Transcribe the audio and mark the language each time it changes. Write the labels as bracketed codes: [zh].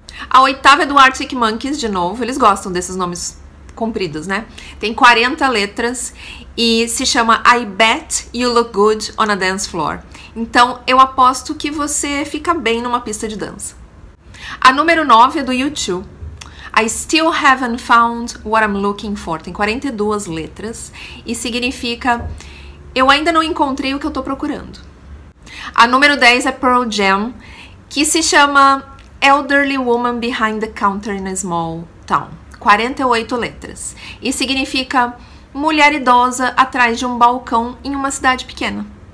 [pt] A oitava é do Arctic Monkeys, de novo. Eles gostam desses nomes compridos, né? Tem 40 letras e se chama [en] I Bet You Look Good on a Dance Floor. [pt] Então, eu aposto que você fica bem numa pista de dança. A número 9 é do U2. [en] I Still Haven't Found What I'm Looking For. [pt] Tem 42 letras e significa eu ainda não encontrei o que eu tô procurando. A número 10 é Pearl Jam, que se chama [en] Elderly Woman Behind the Counter in a Small Town. [pt] 48 letras. E significa mulher idosa atrás de um balcão em uma cidade pequena.